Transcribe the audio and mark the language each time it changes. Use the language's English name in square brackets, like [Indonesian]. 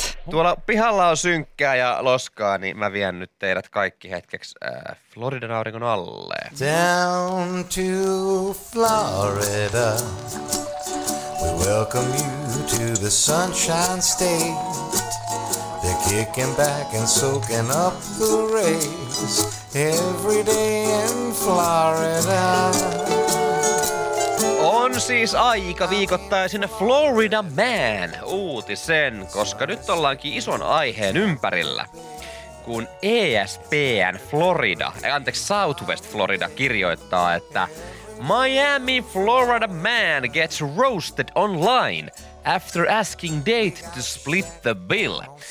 [Finnish] Tuolla pihalla on synkkää ja loskaa, niin mä vien nyt teidät kaikki hetkeksi Floridan auringon alle. [English] Down to Florida, we welcome you to the sunshine state. They're kicking back and soaking up the rays every day in Florida. [Finnish] On siis aika viikoittaisin Florida Man -uutisen, koska nyt ollaankin ison aiheen ympärillä, kun ESPN Florida, Southwest Florida kirjoittaa, että [English] Miami Florida Man gets roasted online after asking date to split the bill.